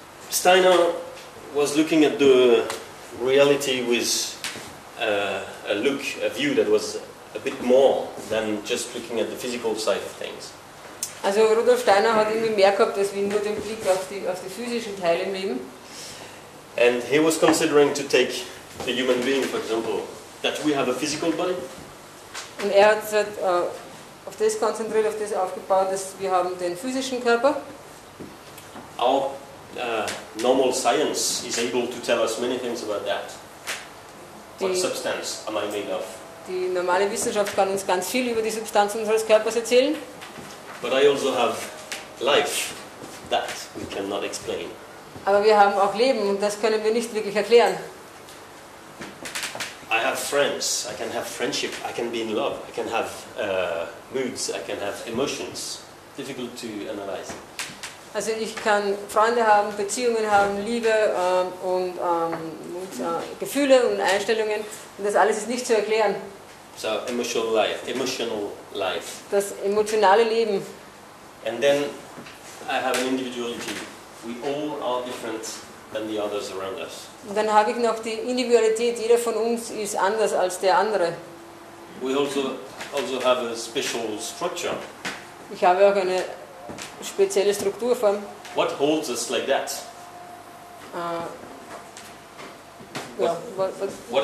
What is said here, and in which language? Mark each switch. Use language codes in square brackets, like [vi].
[en] Steiner was looking at the reality with a look, a view that was a bit more than just looking at the physical side of things. [de] Also Rudolf Steiner hat irgendwie mehr gehabt, als wir nur den Blick auf die physischen Teile im Leben. [en] And he was considering to take the human being, for example, that we have a physical body. [de] Und er hat sich auf das konzentriert, auf das aufgebaut, dass wir haben den physischen Körper. [en] Our normal science is able to tell us many things about that. What substance am I made of? [de] Die normale Wissenschaft kann uns ganz viel über die Substanz unseres Körpers erzählen. [en] But I also have life that we cannot explain. [de] Aber wir haben auch Leben und das können wir nicht wirklich erklären. [en] I have friends, I can have friendship, I can be in love, I can have moods, I can have emotions. Difficult to analyze. [de] Also ich kann Freunde haben, Beziehungen haben, Liebe und Gefühle und Einstellungen und das alles ist nicht zu erklären. [en] So emotional life. [de] Das emotionale Leben. [en] And then I have an individuality. We all are different than the others around us. [de] Und dann habe ich noch die Individualität. Jeder von uns ist anders als der andere. [en] We also have a special structure. [de] Ich habe auch eine spezielle Strukturform. [en] What holds us like that? What